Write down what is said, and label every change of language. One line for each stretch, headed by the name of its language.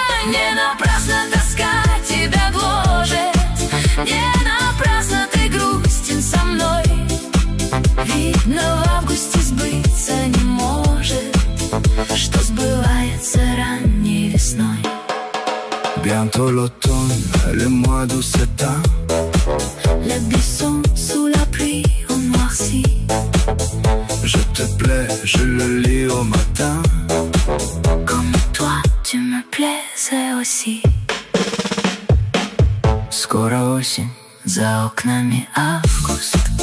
Russian: Не напрасно тоска тебя гложет, не напрасно ты грустен со мной. Видно, в августе сбыться не что сбывается ранней весной.
French: Bientôt l'automne, le mois d'août s'éteint. Les buissons sous la pluie ont noirci. Je te plais, je le lis au matin. Comme toi, tu me plaisais aussi.
Russian: Скоро осень, за окнами август.